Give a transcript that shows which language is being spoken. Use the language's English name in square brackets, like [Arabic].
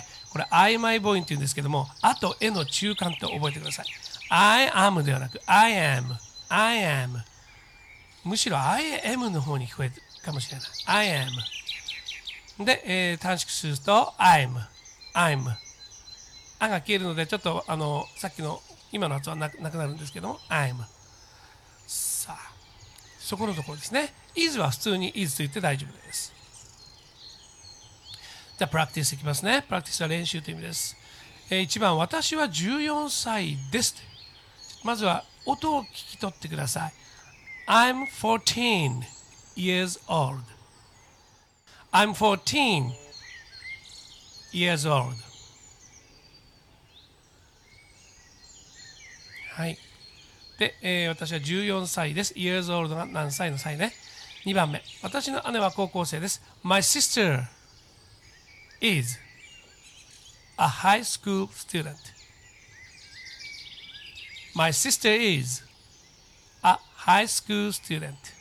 [Japanese] これ、曖昧母音って言うんですけども、あとえの中間と覚えてください。 [English] I am [Japanese] ではなく、 [English] I am, I am。 [Japanese] むしろ、 [English] I am [Japanese] の方に聞こえるかもしれない。 [English] I am。 [Japanese] で、短縮すると、 [English] I'm, I'm。 [Japanese] あが消えるので、ちょっと、さっきの、今の発音はなくなるんですけども、I'm。さあ、そこのところですね。is は普通に is と言って大丈夫です。じゃあ、practice いきますね。practice は練習という意味です。1番、私は14歳です。まずは音を聞き取ってください。 [English] I'm 14 years old. I'm 14 years old. [Japanese] はい。で、私は14歳です。 [English] years old [Japanese] が何歳の歳ね。2番目、私の姉は高校生です。 [English] My sister is a high school student. My sister is a high school student.